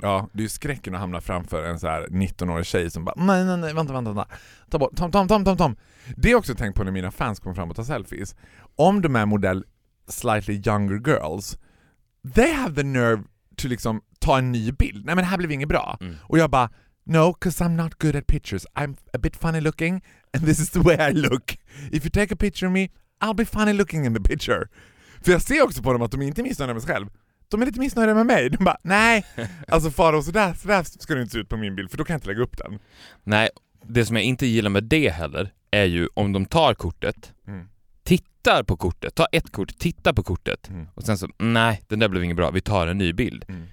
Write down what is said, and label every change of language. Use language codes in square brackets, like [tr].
[sv] Ja, det är ju skräcken att hamna framför en så här 19-årig tjej som bara, nej, vänta. Ta bort, Tom. Det är också tänkt på när mina fans kommer fram och tar selfies. Om de är modell [en] slightly younger girls, they have the nerve to [sv] liksom ta en ny bild. Nej, men det här blev inget bra. Och jag bara, [en] no, because I'm not good at pictures. I'm a bit funny looking and this is the way I look. If you take a picture of me, I'll be funny looking in the picture. [sv] För jag ser också på dem att de inte missar med sig själv. De är lite missnöjda med mig. De bara, nej. Alltså Faro, sådär ska det inte se ut på min bild. För då kan jag inte lägga upp den. Nej, det som jag inte gillar med det heller är ju om de tar kortet. Tittar på kortet. Ta ett kort, titta på kortet. Och sen så, nej, den där blev inget bra. Vi tar en ny bild.